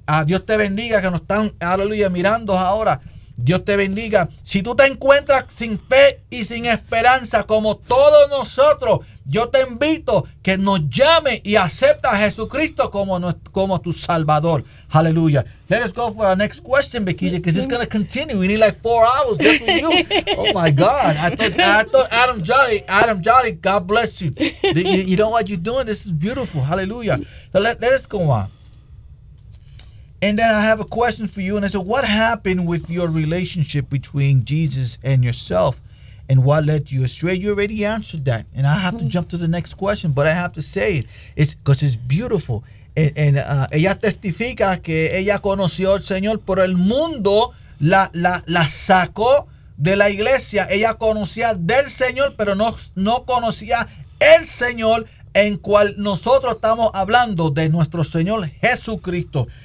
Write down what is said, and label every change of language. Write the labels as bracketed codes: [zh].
[es] Dios te bendiga que nos están, aleluya, mirando ahora. Dios te bendiga. Si tú te encuentras sin fe y sin esperanza, como todos nosotros, yo te invito que nos llame y acepta a Jesucristo como tu Salvador. [en] Hallelujah. Let us go for our next question, Becky, because it's going to continue. We need like 4 hours just for you. Oh, my God. I thought Adam Jolly, God bless you. You know what you're doing? This is beautiful. Hallelujah. So let us go on. And then I have a question for you. And I said, what happened with your relationship between Jesus and yourself? And what led you astray? You already answered that. And I have to jump to the next question, but I have to say it. It's because it's beautiful. [es] And ella testifica que ella conoció al Señor, pero el mundo la sacó de la iglesia. Ella conocía del Señor, pero no conocía el Señor en cual nosotros estamos hablando, de nuestro Señor Jesucristo.